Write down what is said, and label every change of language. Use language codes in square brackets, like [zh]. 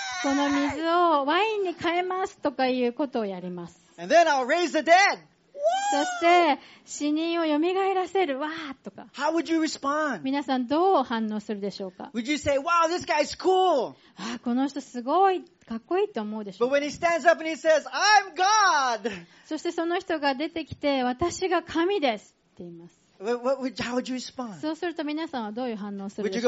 [ja] この水をワインに変えますとかいうことをやります。 [en] And then I'll raise the dead! [ja] そして死人を蘇らせるわーとか。 [en] How would you respond? [ja] 皆さんどう反応するでしょうか。 [en] Would you say, "Wow, this guy's cool"? [ja] この人すごいかっこいいと思うでしょう。 [en] But when he stands up and he says, "I'm God." [ja] そしてその人が出てきて、私が神ですって言います。 [en] How would you respond? [ja] そうすると皆さんはどういう反応するでし